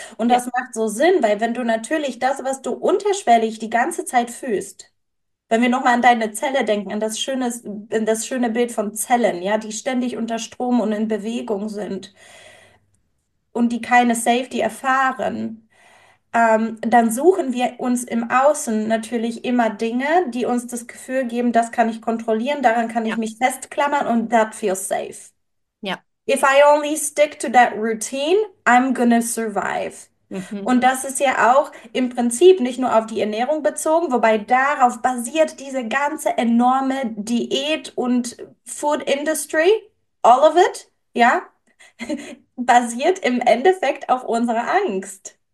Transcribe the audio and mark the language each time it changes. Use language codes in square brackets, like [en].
[de] Und das macht so Sinn, weil wenn du natürlich das, was du unterschwellig die ganze Zeit fühlst, wenn wir nochmal an deine Zelle denken, an das schöne Bild von Zellen, ja, die ständig unter Strom und in Bewegung sind und die keine Safety erfahren, dann suchen wir uns im Außen natürlich immer Dinge, die uns das Gefühl geben, das kann ich kontrollieren, daran kann ich mich festklammern und [en] that feels safe. If I only stick to that routine, I'm gonna survive. [de] Und das ist ja auch im Prinzip nicht nur auf die Ernährung bezogen, wobei darauf basiert diese ganze enorme Diät- und Food Industry, [en] all of it, [de] ja, basiert im Endeffekt auf unserer Angst.